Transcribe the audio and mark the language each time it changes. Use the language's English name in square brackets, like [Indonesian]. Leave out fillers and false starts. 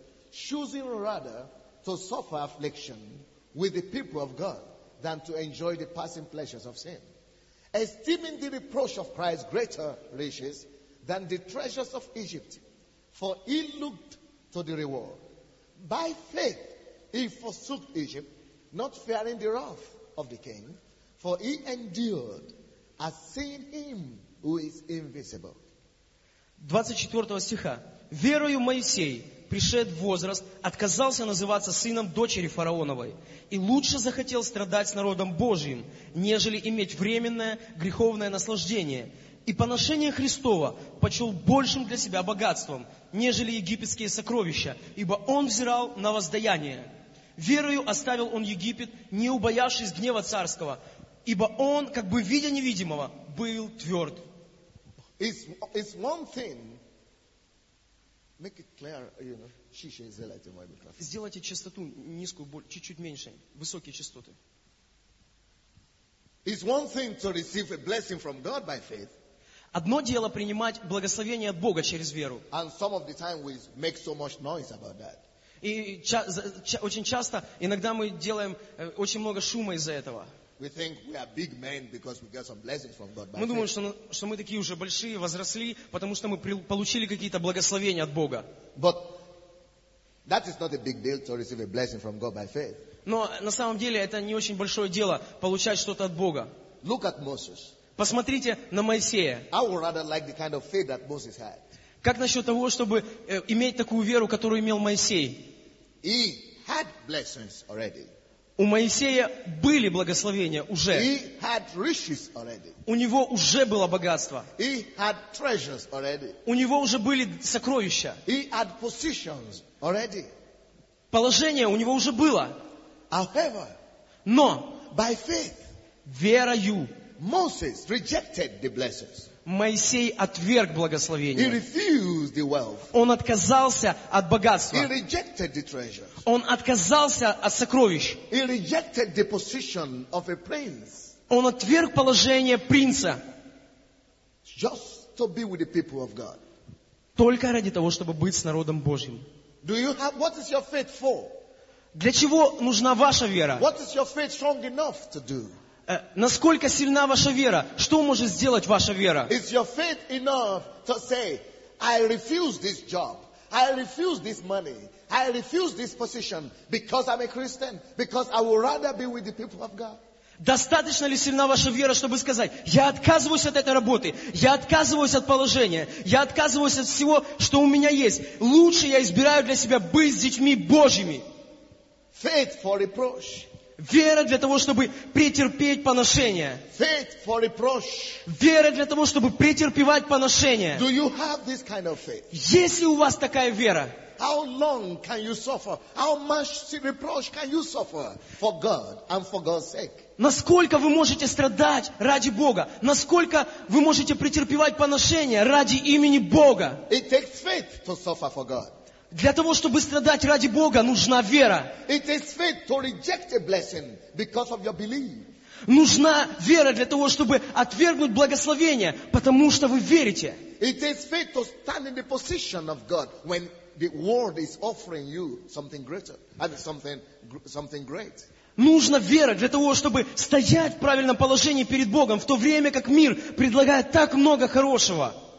[English] Choosing rather to suffer affliction with the people of God than to enjoy the passing pleasures of sin, esteeming the reproach of Christ greater riches than the treasures of Egypt, for he looked to the reward. By faith he forsook Egypt, not fearing the wrath of the king, for he endured as seeing him who is invisible. [Russian] 24 стиха. Верою Моисей, пришед в возраст, отказался называться сыном дочери фараоновой, и лучше захотел страдать с народом Божиим, нежели иметь временное греховное наслаждение. И поношение Христова почел большим для себя богатством, нежели египетские сокровища, ибо он взирал на воздаяние. Верою оставил он Египет, не убоявшись гнева царского, ибо он, как бы видя невидимого, был тверд. [English] It's one thing. Make it clear, you know. [Russian] Сделайте частоту низкую, чуть-чуть меньше, высокие частоты. [English] It's one thing to receive a blessing from God by faith. [Russian] Одно дело принимать благословение от Бога через веру. [English] And some of the time we make so much noise about that. [Russian] И очень часто, иногда мы делаем очень много шума из-за этого. [English] We think we are big men because we get some blessings from God. [Russian] Мы думаем, что мы такие уже большие, возросли, потому что мы получили какие-то благословения от Бога. [English] But that is not a big deal to receive a blessing from God by faith. [Russian] Но на самом деле это не очень большое дело получать что-то от Бога. [English] Look at Moses. [Russian] Посмотрите на Моисея. [English] I would rather like the kind of faith that Moses had. [Russian] Как насчет того, чтобы иметь такую веру, которую имел Моисей? [English] He had blessings already. [Russian] У Моисея были благословения уже. [English] He had riches already. [Russian] У него уже было богатство. [English] He had treasures already. [Russian] У него уже были сокровища. [English] He had positions already. [Russian] Положение у него уже было. [English] However, [Russian] но [English] by faith, [Russian] верою [English] Moses rejected the blessings. [Russian] Моисей отверг благословение. [English] He refused the wealth. [Russian] Он отказался от богатства. [English] He rejected the treasures. [Russian] Он отказался от сокровищ. [English] He rejected the position of a prince. [Russian] Он отверг положение принца. [English] Just to be with the people of God. [Russian] Только ради того, чтобы быть с народом Божьим. [English] Do you have, what is your faith for? [Russian] Для чего нужна ваша вера? [English] What is your faith strong enough to do? [Russian] Насколько сильна ваша вера? Что может сделать ваша вера? [English] Is your faith enough to say, I refuse this job, I refuse this money, I refuse this position because I'm a Christian, because I would rather be with the people of God? [Russian] Достаточно ли сильна ваша вера, чтобы сказать, я отказываюсь от этой работы, я отказываюсь от положения, я отказываюсь от всего, что у меня есть. Лучше я избираю для себя быть с детьми Божьими. [English] Faith for reproach. [Russian] Вера для того, чтобы претерпеть поношение. [English] Faith for reproach. [Russian] Вера для того, чтобы претерпевать поношение. [English] Do you have this kind of faith? [Russian] Есть ли у вас такая вера? [English] How long can you suffer? How much reproach can you suffer for God and for God's sake? [Russian] Насколько вы можете страдать ради Бога? Насколько вы можете претерпевать поношение ради имени Бога? [English] It takes faith to suffer for God. [Russian] Для того, чтобы страдать ради Бога, нужна вера. [English] It takes faith to reject a blessing because of your belief. [Russian] Нужна вера для того, чтобы отвергнуть благословение, потому что вы верите. [English] It takes faith to stand in the position of God when the world is offering you something greater and something great. [Russian] Нужна вера для того, чтобы стоять в правильном положении перед Богом, в то время как мир предлагает так много хорошего.